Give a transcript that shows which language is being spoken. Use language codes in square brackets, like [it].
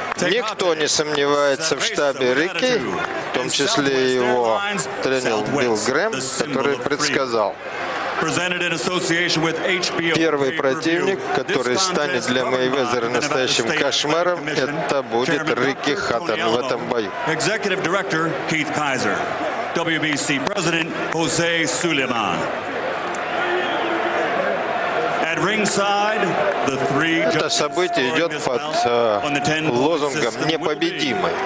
[ru] Никто не сомневается в штабе Рикки, в том числе его тренер Билл Грэм, который предсказал. [en] presented in association with HBO. [ru] Первый противник, который станет для Мейвезера настоящим кошмаром, это будет Рикки Хаттон в этом бою. [en] Executive director Keith Kaiser, WBC president Jose Suleiman. At ringside, the three judges. [ru] Это событие идет под лозунгом «Непобедимый».